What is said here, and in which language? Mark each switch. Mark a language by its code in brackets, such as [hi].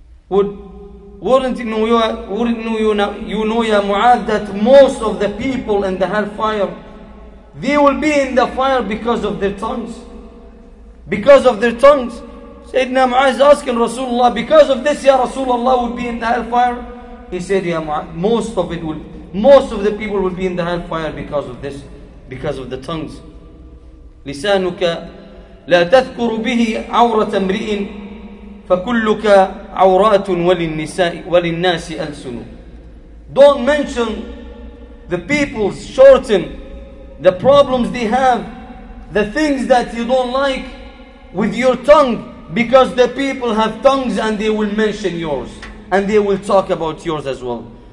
[en] Wouldn't you know, Ya Mu'ad, that most of the people in the hellfire, they will be in the fire because of their tongues. Because of their tongues. Sayyidina Mu'ad is asking Rasulullah, because of this, Ya Rasulullah would be in the hellfire. He said, Ya Mu'ad, most of the people will be in the hellfire because of this, because of the tongues. [ar] لِسَانُكَ لا تذكر به عورة امرئ فكلك عورات وللنساء وللناس ألسن. [en] Don't mention the people's shorten, the problems they have, the things that you don't like with your tongue, because the people have tongues and they will mention yours and they will talk about yours as well.